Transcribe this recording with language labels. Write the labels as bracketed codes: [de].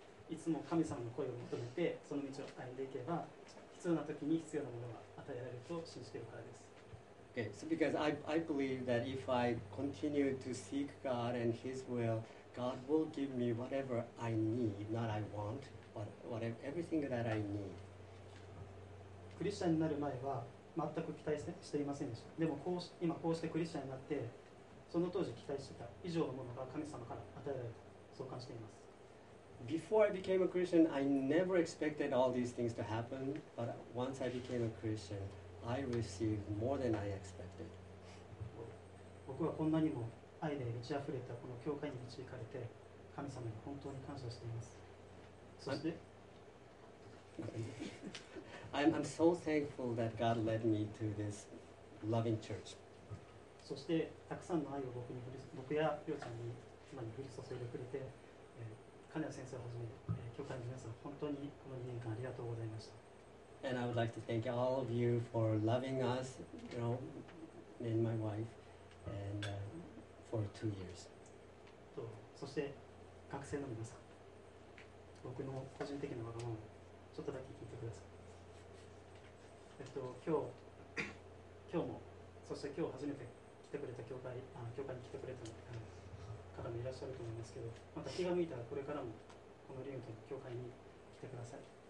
[ja] いつも神様の声を求めてその道を歩んでいけば必要な時に必要なものが与えられると信じているからです。 [en] Okay, so because I believe that if I continue to seek God and His will, God will give me whatever I need, not I want, but whatever, everything that I need. [ja] クリスチャンになる前は全く期待していませんでした。でもこう今こうしてクリスチャンになって、その当時期待していた以上のものが神様から与えられると、そう感じています。 [en] Before I became a Christian, I never expected all these things to happen, but once I became a Christian,I received more than I expected. [ja] 僕はこんなにも愛で満ち溢れたこの教会に導かれて神様に本当に感謝しています。そして [en] I'm so thankful that God led me to this loving church. [ja] そしてたくさんの愛を僕に僕やりょうちゃんに今に降り注いでくれて、金谷先生をはじめ、教会の皆さん本当にこの2年間ありがとうございました。 [en] And I would like to thank all of you for loving us, you know, me and my wife, and for 2 years. [ja] そして学生の皆さん、僕の個人的なわがままをちょっとだけ聞いてください。今日も、そして今日初めて来てくれた教会に来てくれた方もいらっしゃると思いますけど、また気が向いたらこれからもこのリングとの教会に来てください。